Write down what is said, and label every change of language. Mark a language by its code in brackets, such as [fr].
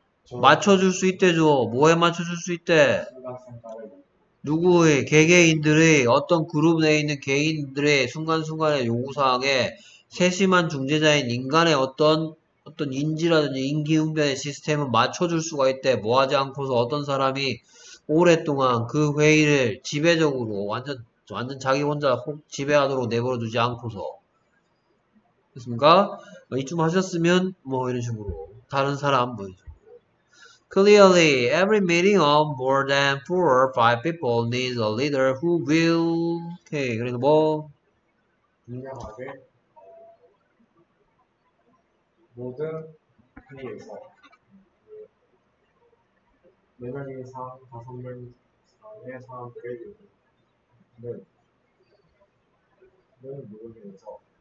[ko] 맞춰줄 수 있대죠. 뭐에 맞춰줄 수 있대? 누구의, 개개인들의, 어떤 그룹 내에 있는 개인들의 순간순간의 요구사항에 세심한 중재자인 인간의 어떤 인지라든지 인기응변의 시스템은 맞춰줄 수가 있대. 뭐 하지 않고서 어떤 사람이 오랫동안 그 회의를 지배적으로 완전 자기 혼자 지배하도록 내버려 두지 않고서. 됐습니까? 이쯤 하셨으면 뭐 이런 식으로 다른 사람 보여줘. [en] Clearly, every meeting of more than four or five people needs a leader who will. [ko] Okay, 그래서 뭐? 분명하게 모든 회의에서 4명 이상 5명 이상의 사람들은 모든 회의에서